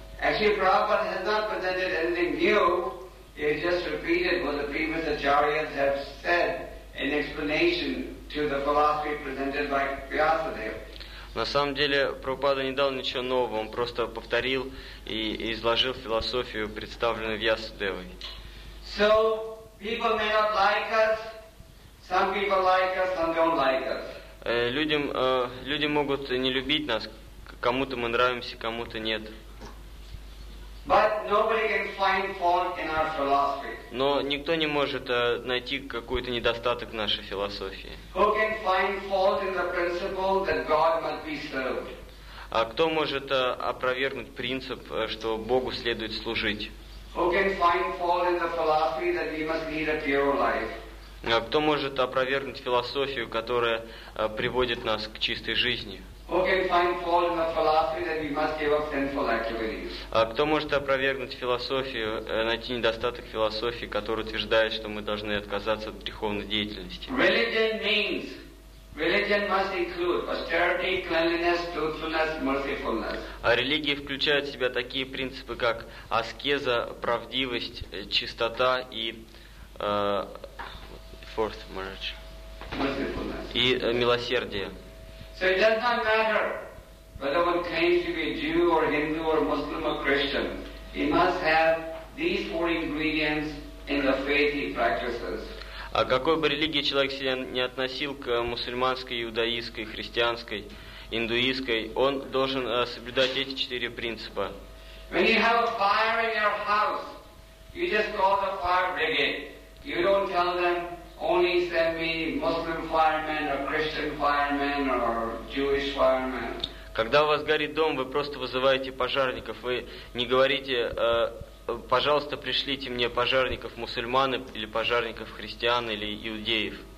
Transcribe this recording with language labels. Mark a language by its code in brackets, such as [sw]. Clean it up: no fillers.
[en] Actually, Prabhupada has not presented anything new. He has just repeated what the previous acharyas have said in explanation to the philosophy presented by Vyasadeva. [ru] На самом деле, Прабхупада не дал ничего нового, он просто повторил и изложил философию, представленную Вьясадевой. [en] So, people may not like us, some people like us, some don't like us. [ru] Люди могут не любить нас, кому-то мы нравимся, кому-то нет. [en] But nobody can find fault in our philosophy. [ru] Но никто не может найти какой-то недостаток в нашей философии. [en] Who can find fault in the principle that God must be served? [ru] А кто может опровергнуть принцип, что Богу следует служить? [en] Who can find fault in the philosophy that we must lead a pure life? [ru] Кто может опровергнуть философию, которая приводит нас к чистой жизни? [en] Who can find fault in the philosophy that we must give up sinful activities? [ru] Кто может опровергнуть философию, найти недостаток философии, которая утверждает, что мы должны отказаться от греховной деятельности? [en] Religion means religion must include austerity, cleanliness, truthfulness, mercifulness. [ru] А религия включает в себя такие принципы, как аскеза, правдивость, чистота и [en] fourth marriage. Mercifulness. [ru] И милосердие. [en] So it does not matter whether one claims to be Jew or Hindu or Muslim or Christian. He must have these four ingredients in the faith he practices. [ru] А какой бы религии человек себя не относил, к мусульманской, иудаистской, христианской, индуистской, он должен соблюдать эти четыре принципа. [en] When you have a fire in your house, you just call the fire brigade. You don't tell them, only send me Muslim firemen or Christian firemen or Jewish firemen. [ru] Когда у вас горит дом, вы просто вызываете пожарников. Вы не говорите, пожалуйста, пришлите мне пожарников мусульман или пожарников христиан или иудеев.